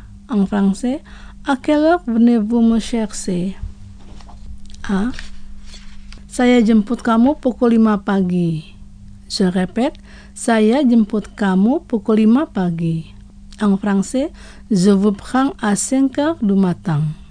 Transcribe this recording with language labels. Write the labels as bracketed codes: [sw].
[fr] En français, à quelle heure venez-vous me chercher? A. [id] Saya jemput kamu pukul 5 pagi. [fr] Je répète, [id] saya jemput kamu pukul 5 pagi. [fr] En français, je vous prends à 5h du matin.